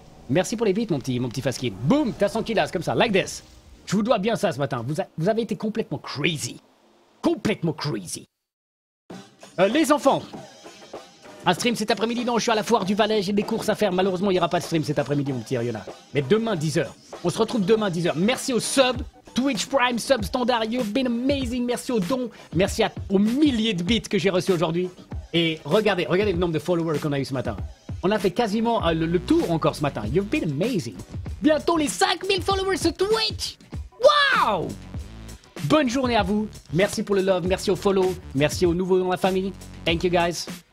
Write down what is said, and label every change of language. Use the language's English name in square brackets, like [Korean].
[French] Merci pour les beats, mon petit Faskin. Boum, t'as 100 kilos, comme ça, [English] like this. [French] Je vous dois bien ça ce matin. Vous avez été complètement crazy. Complètement crazy. Les enfants, un stream cet après-midi? Non, je suis à la foire du Valais, j'ai des courses à faire. Malheureusement, il n'y aura pas de stream cet après-midi, mon petit Ariona. Mais demain, 10h. On se retrouve demain, 10h. Merci aux subs, Twitch Prime, subs standard, [English] you've been amazing. [French] Merci aux dons, merci aux milliers de bits que j'ai reçus aujourd'hui. Et regardez le nombre de followers qu'on a eu ce matin. On a fait quasiment le tour encore ce matin. [English] You've been amazing. [French] Bientôt les 5000 followers sur Twitch. Wow! Bonne journée à vous, merci pour le love, merci au follow, merci aux nouveaux dans la famille, [English] thank you guys.